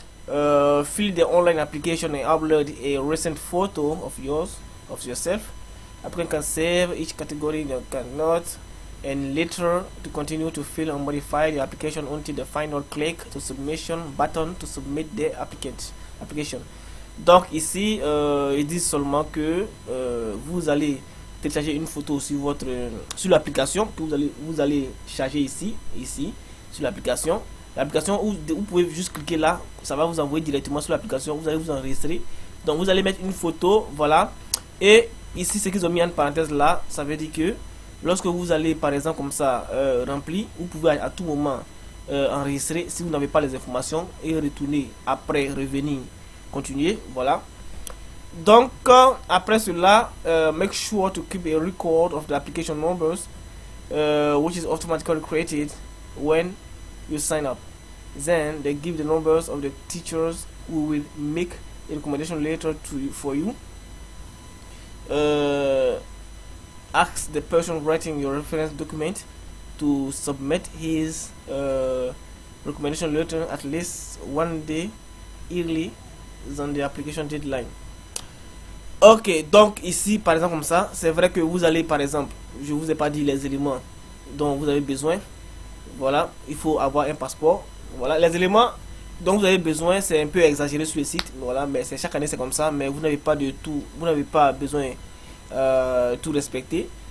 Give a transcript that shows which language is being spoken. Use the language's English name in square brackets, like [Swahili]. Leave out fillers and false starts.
[English] Fill the online application and upload a recent photo of yourself. Après, you can save each category you cannot. And later to continue to fill and modify the application until the final click to submission button to submit the application. [French] Donc ici, ils disent seulement que vous allez télécharger une photo sur sur l'application que vous allez charger ici sur l'application. L'application où vous pouvez juste cliquer là, ça va vous envoyer directement sur l'application. Vous allez vous enregistrer. Donc vous allez mettre une photo, voilà. Et ici, ce qu'ils ont mis en parenthèse là, ça veut dire que lorsque vous allez, par exemple, comme ça, remplir, vous pouvez à tout moment enregistrer si vous n'avez pas les informations et retourner après, revenir, continuer. Voilà. Donc, après cela, [English] make sure to keep a record of the application numbers, which is automatically created when you sign up. Then, they give the numbers of the teachers who will make a recommendation later for you. Ask the person writing your reference document to submit his recommendation letter at least one day early than the application deadline. [French] Ok, donc ici par exemple comme ça, c'est vrai que vous allez par exemple, je vous ai pas dit les éléments dont vous avez besoin. Voilà, il faut avoir un passeport. Voilà, les éléments dont vous avez besoin, c'est un peu exagéré sur le site. Voilà, mais c'est chaque année, c'est comme ça. Mais vous n'avez pas de tout, vous n'avez pas besoin tout respecter.